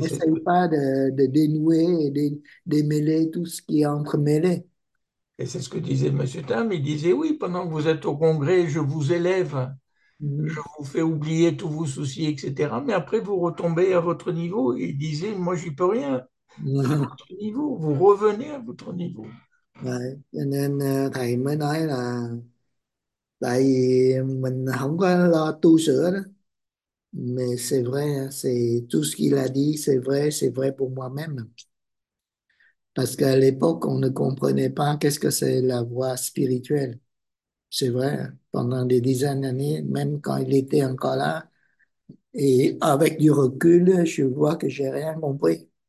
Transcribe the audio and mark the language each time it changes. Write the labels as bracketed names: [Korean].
[French] n'essaye pas de dénouer et démêler tout ce qui est entremêlé. c'est ce que disait Monsieur Tam. Il disait, oui, pendant que vous êtes au congrès, je vous élève, je vous fais oublier tous vos soucis, etc. Mais après, vous retombez à votre niveau. Il disait, moi, j'y peux rien. À votre niveau, vous revenez à votre niveau. [Vietnamese] Đấy, cho nên thầy mới nói là tại vì mình không có lo tu sửa đó. [French] Mais c'est vrai, c'est tout ce qu'il a dit, c'est vrai pour moi-même. Parce qu'à l'époque, on ne comprenait pas qu'est-ce que c'est la voie spirituelle. C'est vrai, pendant des dizaines d'années, même quand il était encore là, et avec du recul, je vois que j'ai rien compris.